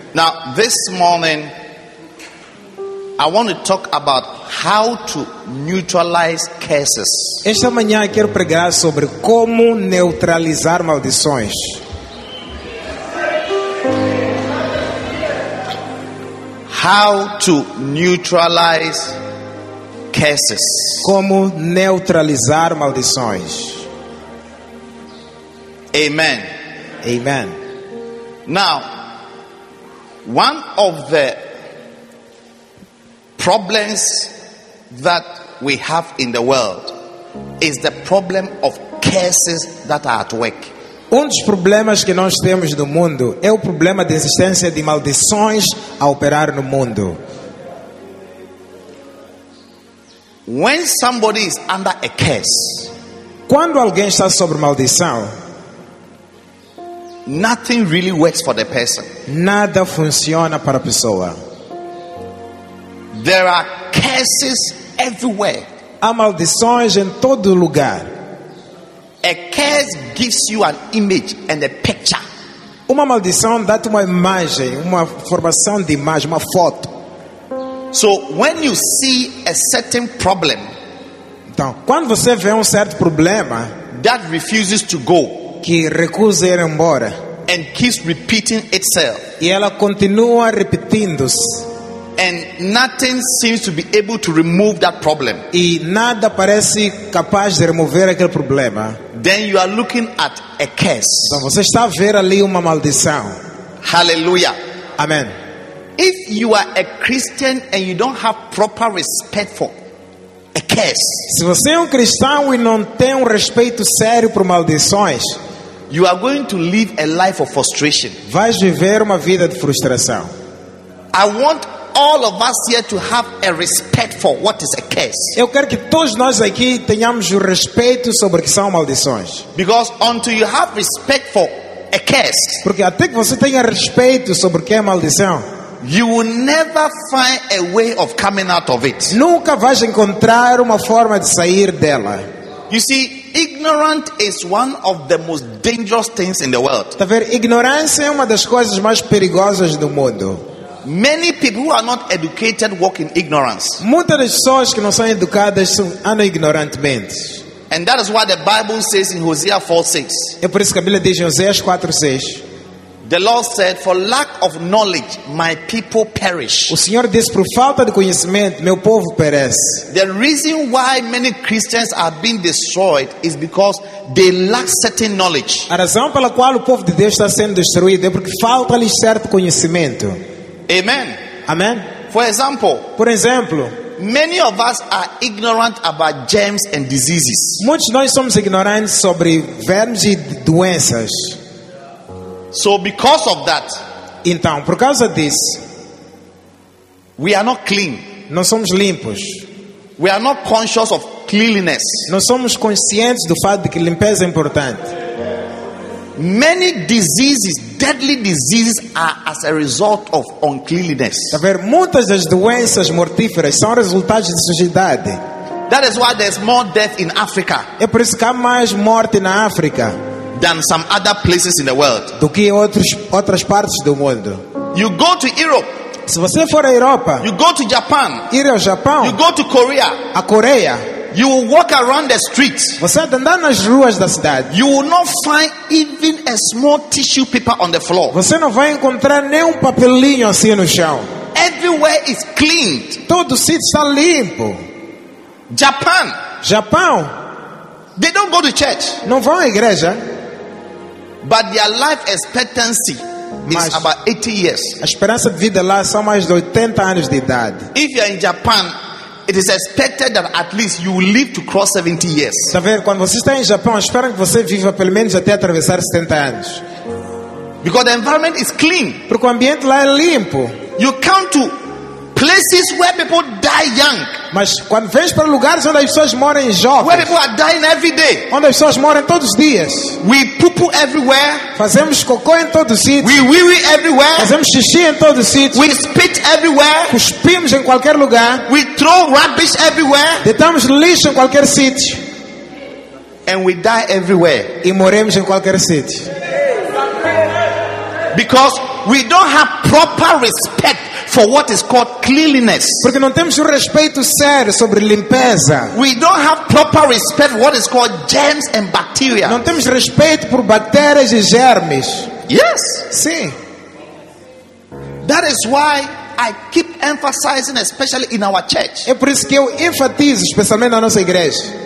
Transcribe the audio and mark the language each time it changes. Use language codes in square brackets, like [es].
[en] Now, this morning, I want to talk about how to neutralize curses. [pt] Esta manhã eu quero pregar sobre como neutralizar maldições. [en] How to neutralize curses. [pt] Como neutralizar maldições. [en] Amen. [pt] Amen. [en] Now, one of the problems that we have in the world is the problem of curses that are at work. [pt] Um dos problemas que nós temos no mundo é o problema da existência de maldições a operar no mundo. [en] When somebody is under a curse, [pt] quando alguém está sob maldição, [en] nothing really works for the person. [pt] Nada funciona para a pessoa. [en] There are curses everywhere. [pt] Há maldições em todo lugar. [en] A curse gives you an image and a picture. [pt] Uma maldição dá-te uma imagem, uma formação de imagem, uma foto. [en] So when you see a certain problem, [pt] então, quando você vê certo problema, [en] that refuses to go, [pt] que recusa ir embora, [en] and keeps repeating itself, [pt] e ela continua repetindo-se, [en] and nothing seems to be able to remove that problem, [pt] e nada parece capaz de remover aquele problema, [en] then you are looking at a curse. [pt] Então você está a ver ali uma maldição. [en] Hallelujah. [pt] Amen. [en] If you are a Christian and you don't have proper respect for a curse, [pt] se você é cristão e não tem respeito sério por maldições, [en] you are going to live a life of frustration. [pt] Vais viver uma vida de frustração. [en] I want all of us here to have a respect for what is a curse. [pt] Eu quero que todos nós aqui tenhamos o respeito sobre o que são maldições. [en] Because until you have respect for a curse. [pt] Porque até que você tenha respeito sobre o que é maldição, [en] you will never find a way of coming out of it. [pt] Nunca vais encontrar uma forma de sair dela. [en] You see, ignorance is one of the most dangerous things in the world. [pt] Tá vendo? Ignorância é uma das coisas mais perigosas do mundo. [en] Many people who are not educated walk in ignorance. [pt] Muitas pessoas que não são educadas são ignorantemente. [en] And that is why the Bible says in Hosea 4:6. [pt] É por isso que a Bíblia diz em Hoseas 4:6. [en] The Lord said, "For lack of knowledge, my people perish." [pt] O Senhor disse, por falta de conhecimento, meu povo perece. [en] The reason why many Christians are being destroyed is because they lack certain knowledge. [pt] A razão pela qual o povo de Deus está sendo destruído é porque falta-lhes certo conhecimento. [en] Amen. [pt] Amen. [en] For example. [pt] Por exemplo. [en] Many of us are ignorant about germs and diseases. [pt] Muitos nós somos ignorantes sobre vermes e doenças. [en] So because of that, [pt] então, por causa disso, [en] we are not clean. [pt] Não somos limpos. [en] We are not conscious of cleanliness. [pt] Não somos conscientes do fato de que limpeza é importante. [en] Many diseases, deadly diseases, are as a result of uncleanliness. [pt] Tá vendo? Muitas das doenças mortíferas são resultados de sujidade. [en] That is why there's more death in Africa. [pt] É por isso que há mais morte na África. [en] Than some other places in the world. [pt] Do que outras partes do mundo. [en] You go to Europe. [pt] Se você for à Europa. [en] You go to Japan. [pt] Ir ao Japão. [en] You go to Korea. [pt] A Coreia. [en] You will walk around the streets. [pt] Você andar nas ruas da cidade. [en] You will not find even a small tissue paper on the floor. [pt] Você não vai encontrar nem papelinho assim no chão. [en] Everywhere is cleaned. [pt] Todo sítio está limpo. [en] Japan. [pt] Japão. [en] They don't go to church. [pt] Não vão à igreja. [en] But their life expectancy is about 80 years. [pt] A esperança de vida lá são mais de 80 anos de idade. [en] If you are in Japan, it is expected that at least you will live to cross 70 years. [pt] Tá vendo? Quando você está em Japão, esperam que você viva pelo menos até atravessar 70 anos. [en] Because the environment is clean. [pt] Porque o ambiente lá é limpo. [en] You come to places where people die young. [pt] Mas quando vens para lugares onde as pessoas morrem jovens. [en] Where people are dying every day. [pt] Onde as pessoas morrem todos os dias. [en] We poo everywhere. [pt] Fazemos cocô em todo sítio. [en] We wee everywhere. [pt] Fazemos xixi em todo sítio. [en] We spit everywhere. [pt] Cuspimos em qualquer lugar. [en] We throw rubbish everywhere. [pt] Deitamos lixo em qualquer sítio. [en] And we die everywhere. [pt] E morremos em qualquer sítio. [en] Because we don't have proper respect for what is called cleanliness. [pt] Porque não temos respeito sério sobre limpeza. [en] We don't have proper respect for what is called germs and bacteria. [pt] Não temos respeito por bactérias e germes. [en] Yes. [pt] Sim. [en] That is why I keep emphasizing, especially in our church. [pt] É por isso que eu enfatizo, especialmente na nossa igreja.